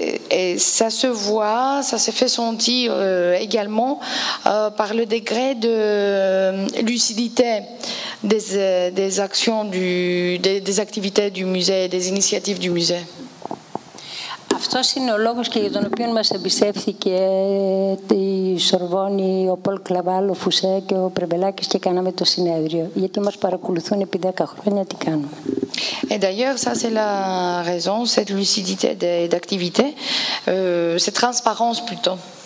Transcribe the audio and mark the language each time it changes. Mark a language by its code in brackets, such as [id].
[fr] Et ça se voit, ça s'est fait sentir également par le degré de lucidité des actions des activités du musée, des initiatives du musée. [el] Αυτός είναι ο λόγος και για τον οποίο μας εμπιστεύθηκε η Σορβόνη, ο Πολ Κλαβάλ, ο Φουσέ και ο Πρεμπελάκης και κάναμε το συνέδριο. Γιατί μας παρακολουθούν επί 10 χρόνια τι κάνουμε. [fr] Et d'ailleurs, ça c'est la raison, cette lucidité d'activité, cette transparence plutôt.